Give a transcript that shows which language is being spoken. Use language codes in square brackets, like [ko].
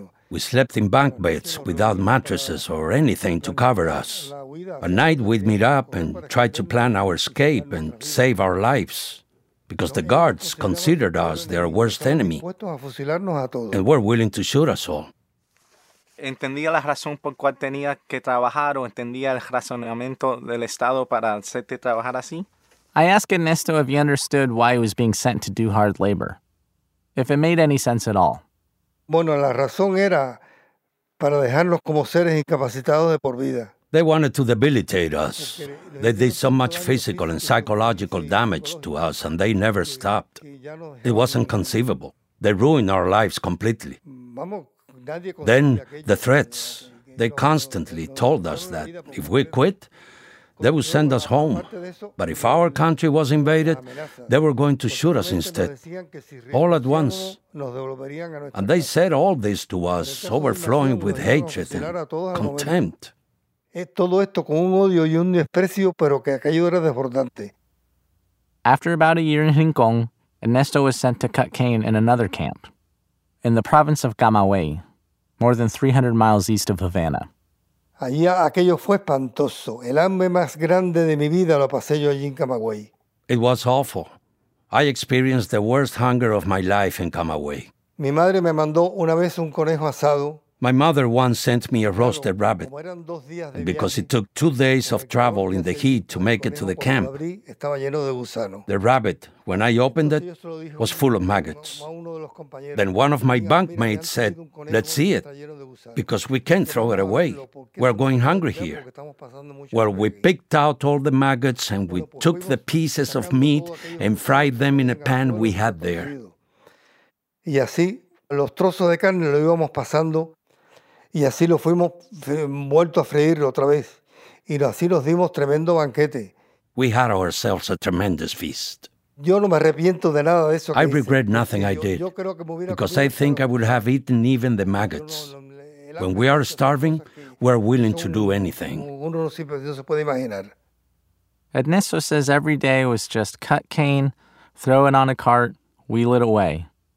[en] We slept in bunk beds without mattresses or anything to cover us. At night, we'd meet up and try to plan our escape and save our lives because the guards considered us their worst enemy and were willing to shoot us all. [es] entendía la razón por cual tenía que trabajar o entendía el razonamiento del Estado para hacerte trabajar así. [en] I asked Ernesto if he understood why he was being sent to do hard labor, if it made any sense at all. [es] Bueno, la razón era para dejarnos como seres incapacitados de por vida. [en] They wanted to debilitate us. They did so much physical and psychological damage to us, and they never stopped. It wasn't conceivable. They ruined our lives completely. Then the threats. They constantly told us that if we quit, they would send us home. But if our country was invaded, they were going to shoot us instead, all at once. And they said all this to us, overflowing with hatred and contempt. [es] Todo esto con un odio y un desprecio, pero que aquello era desbordante. [en] After about a year in Rincón, Ernesto was sent to cut cane in another camp, in the province of Camagüey, more than 300 miles east of Havana. [es] Allí aquello fue espantoso. El hambre más grande de mi vida lo pasé yo allí en Camagüey. [en] It was awful. I experienced the worst hunger of my life in Camagüey. [es] Mi madre me mandó una vez un conejo asado. [en] My mother once sent me a roasted rabbit, and because it took 2 days of travel in the heat to make it to the camp, the rabbit, when I opened it, was full of maggots. Then one of my bunkmates said, "Let's see it, because we can't throw it away. We're going hungry here." Well, we picked out all the maggots and we took the pieces of meat and fried them in a pan we had there. [es] Y así los trozos de carne lo íbamos pasando. Y así lo fuimos vuelto a freír otra vez. Y así nos dimos tremendo banquete. [en] We had ourselves a tremendous feast. [es] Yo no me arrepiento de nada de eso. [en] I regret nothing I did, because I think I would have eaten even the maggots. When we are starving, we are willing to do anything. [es] Uno no se puede imaginar. [en] Ernesto says every day was just cut cane, throw it on a cart, wheel it away.